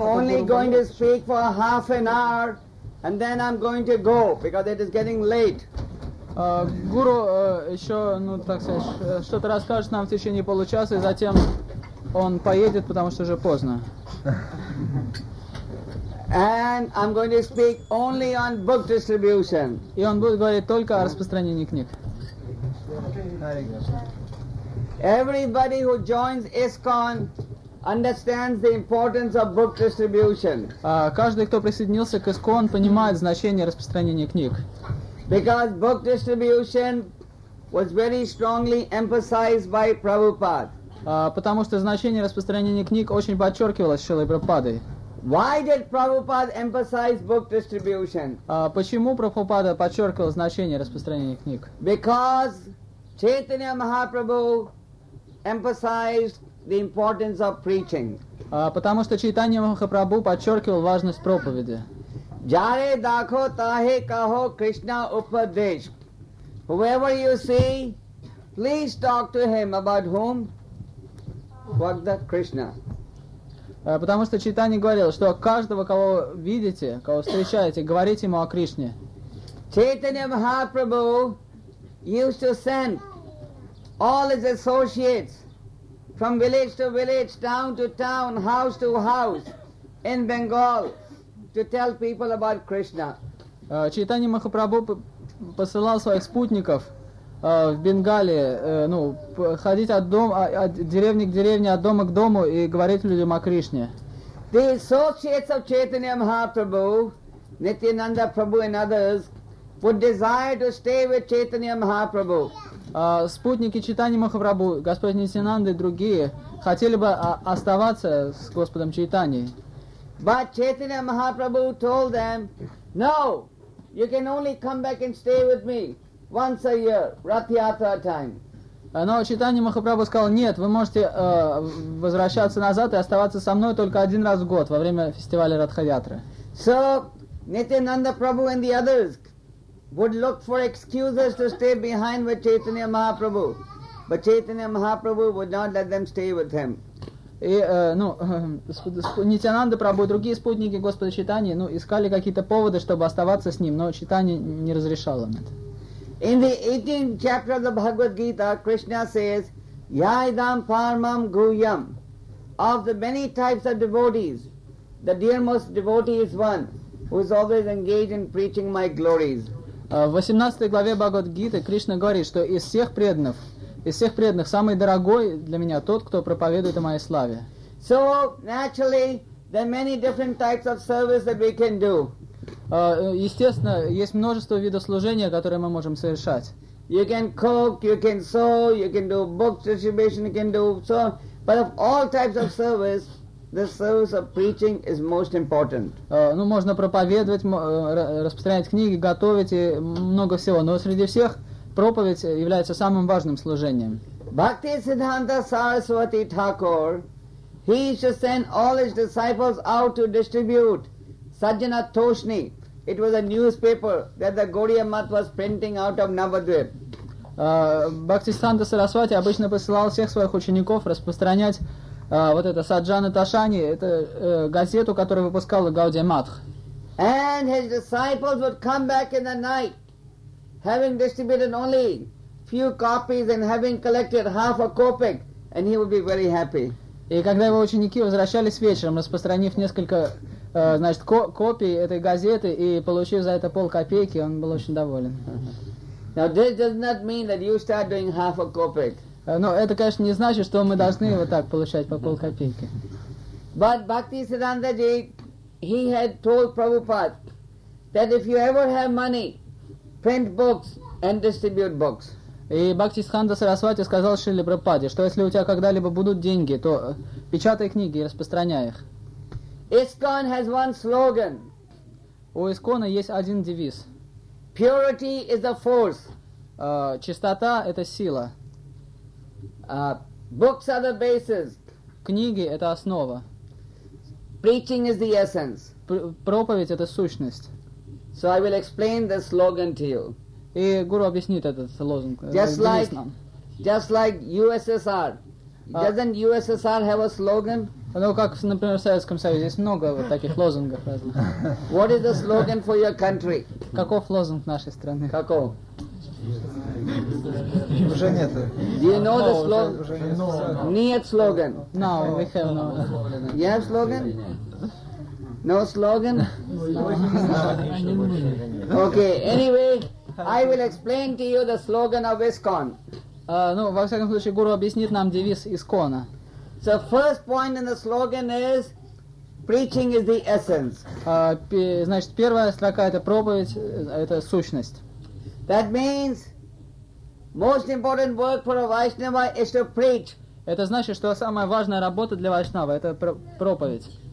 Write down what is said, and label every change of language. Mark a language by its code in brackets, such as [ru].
[en] only going to speak for half an hour, and then I'm going to go because it is getting late. [ru] Гуру, еще, ну так сказать, что-то расскажет нам в течение получаса, и затем он поедет, потому что уже поздно. [en] And I'm going to speak only on book distribution. [ru] И он будет говорить только о распространении книг. [en] Everybody who joins ISKCON understands the importance of book distribution. [ru] Каждый, кто присоединился к ISKCON, понимает значение распространения книг. [en] Because book distribution was very strongly emphasized by Prabhupada. [ru] Потому что значение распространения книг очень подчеркивалось Шрилой Прабхупадой. [en] Why did Prabhupada emphasize book distribution? [ru] Почему Прабхупада подчеркивал значение распространения книг? [en] Because Chaitanya Mahaprabhu emphasized the importance of preaching. [ru] Потому что Чайтанья Махапрабху подчеркивал важность проповеди. [bn] Jare dakho tahe kaho Krishna upadesh. [en] Whoever you see, please talk to him about whom? Bhagavad Krishna. [ru] Потому что Чайтанья говорил, что каждого, кого видите, кого встречаете, говорите ему о Кришне. [en] Chaitanya Mahaprabhu used to send all his associates from village to village, town to town, house to house in Bengal to tell people about Krishna. [ru] Чайтанья Махапрабху посылал своих спутников в Бенгале, ну, ходить от дома, от деревни к деревне, от дома к дому и говорить людям о Кришне. [en] The associates of Chaitanya Mahaprabhu, Nityananda Prabhu and others, would desire to stay with Chaitanya Mahaprabhu. [ru] Спутники Чайтаньи Махапрабху, Господь Нитьянанда и другие, хотели бы оставаться с Господом Чайтаньей. [en] But Chaitanya Mahaprabhu told them, no, you can only come back and stay with me once a year, Rathyatra time. [ru] Но Чайтанья Махапрабху сказал, нет, вы можете возвращаться назад и оставаться со мной только один раз в год во время фестиваля Радхаятры. [en] So, Nityananda Prabhu and the others would look for excuses to stay behind with Chaitanya Mahaprabhu. But Chaitanya Mahaprabhu would not let them stay with him. [ru] Нитянанда Прабху и другие спутники Господа Чайтаньи искали какие-то поводы, чтобы оставаться с ним, но Чайтанья не разрешал им это. [en] In the 18th chapter of the Bhagavad Gita, Krishna says, [sa] Yaidam Parmam Guhyam. [en] Of the many types of devotees, the dearmost devotee is one who is always engaged in preaching my glories. [ru] В 18 главе Бхагавад-гиты Кришна говорит, что из всех преданных самый дорогой для меня тот, кто проповедует о моей славе. [en] So, naturally, there are many different types of service that we can do. [ru] Естественно, есть множество видов служения, которые мы можем совершать. [en] You can cook, you can sew, you can do book distribution, you can do so. But of all types of service, the service of preaching is most important. [ru] Можно проповедовать, распространять книги, готовить и много всего. Но среди всех проповедь является самым важным служением. [en] Bhakti Siddhanta Saraswati Thakur, he used to send all his disciples out to distribute Sajjana Toshni. It was a newspaper that the Gaudiya Math was printing out of Navadvip. [ru] Bhakti Siddhanta Saraswati обычно посылал всех своих учеников распространять вот это Саджана Ташани, это газету, которую выпускала Гаудия Матх. [en] And his disciples would come back in the night, having distributed only few copies and having collected half a kopek, and he would be very happy. [ru] И когда его ученики возвращались вечером, распространив несколько копий этой газеты и получив за это пол копейки, он был очень доволен. [en] Now this does not mean that you start doing half a kopek. [ru] Но это, конечно, не значит, что мы должны вот так получать по полкопейки. [en] But Bhakti Siddhanta ji, he had told Prabhupada that if you ever have money, print books and distribute books. [ru] И Бхакти Сиддханта Сарасвати сказал Шриле Прабхупаде, что если у тебя когда-либо будут деньги, то печатай книги и распространяй их. [en] ISKCON has one slogan. [ru] У ISKCON есть один девиз. [en] Purity is a force. [ru] чистота — это сила. [en] Books are the basis. [ru] Книги — это основа. [en] Preaching is the essence. [ru] Проповедь — это сущность. [en] So I will explain this slogan to you. [ru] И Гуру объяснит этот лозунг. [en] Just like USSR. Doesn't USSR have a slogan? [ru] Ну, как, например, в Советском Союзе, есть много вот таких лозунгов разных. [en] What is the slogan for your country? [ru] Каков лозунг нашей страны? Каков? Уже нет. [en] Do you know the slogan? [ru] Нет слоган. [en] No, we have no. You have slogan? No slogan? Okay, anyway, I will explain to you the slogan of ISKCON. [ru] Ну, во всяком случае, Гуру объяснит нам девиз ИСКОНа. [en] So first point in the slogan is preaching is the essence. [ru] Значит, первая строка это проповедь, это сущность. [en] That means most important work for a Vaishnava is to preach. [ru] Это значит, что самая важная работа для Вайшнава это проповедь.